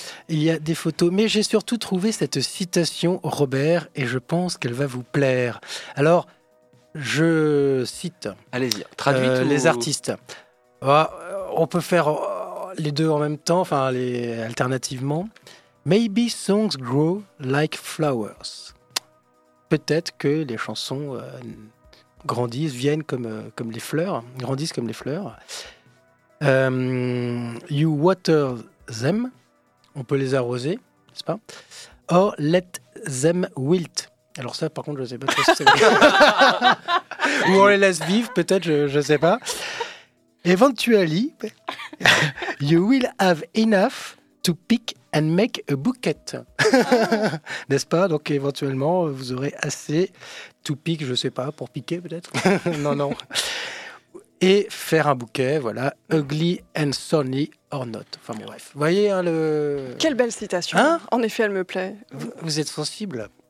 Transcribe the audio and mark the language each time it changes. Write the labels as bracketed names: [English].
[French] Il y a des photos, mais j'ai surtout trouvé cette citation, Robert, et je pense qu'elle va vous plaire. Alors, je cite. Allez-y, traduis tout. Les artistes. Bah, on peut faire les deux en même temps, enfin, alternativement. [English] Maybe songs grow like flowers. [French] Peut-être que les chansons grandissent, viennent comme les fleurs, grandissent comme les fleurs. [English] You water them, [French] on peut les arroser, n'est-ce pas? [English] Or let them wilt. [French] Alors ça, par contre, je ne sais pas trop si c'est ou on les laisse vivre, peut-être, je ne sais pas. [English] Eventually, you will have enough to pick and make a bouquet. [French] N'est-ce pas? Donc éventuellement, vous aurez assez [English] to pick, [French] je ne sais pas, pour piquer peut-être. Non, non. Et faire un bouquet, voilà, [English] ugly and sunny or not. [French] Enfin bref, vous voyez hein, le... Quelle belle citation, hein, en effet elle me plaît. Vous êtes sensible.